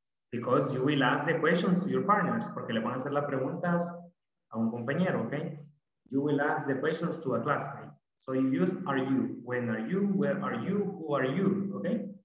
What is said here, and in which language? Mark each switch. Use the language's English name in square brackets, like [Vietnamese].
[English] Because you will ask the questions to your partners. [Spanish] Porque le van a hacer las preguntas a un compañero, okay? [English] You will ask the questions to a classmate. So you use are you. When are you? Where are you? Who are you? Okay?